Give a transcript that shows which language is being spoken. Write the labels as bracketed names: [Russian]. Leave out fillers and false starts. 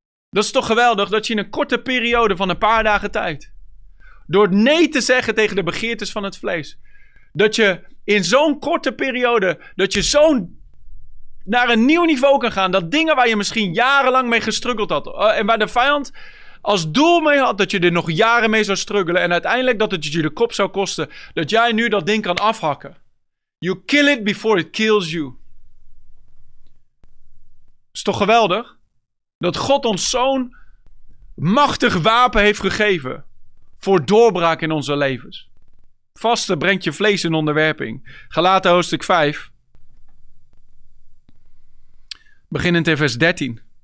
[Dutch] Dat is toch geweldig dat je in een korte periode van een paar dagen tijd, door nee te zeggen tegen de begeertes van het vlees, dat je in zo'n korte periode, dat je zo'n naar een nieuw niveau kan gaan, dat dingen waar je misschien jarenlang mee gestruggeld had, en waar de vijand als doel mee had dat je er nog jaren mee zou struggelen, en uiteindelijk dat het je de kop zou kosten, dat jij nu dat ding kan afhakken. [English] You kill it before it kills you. [Dutch] Is toch geweldig? Dat God ons zo'n machtig wapen heeft gegeven voor doorbraak in onze levens. Vasten brengt je vlees in onderwerping. Galaten hoofdstuk 5. Beginnend in vers 13.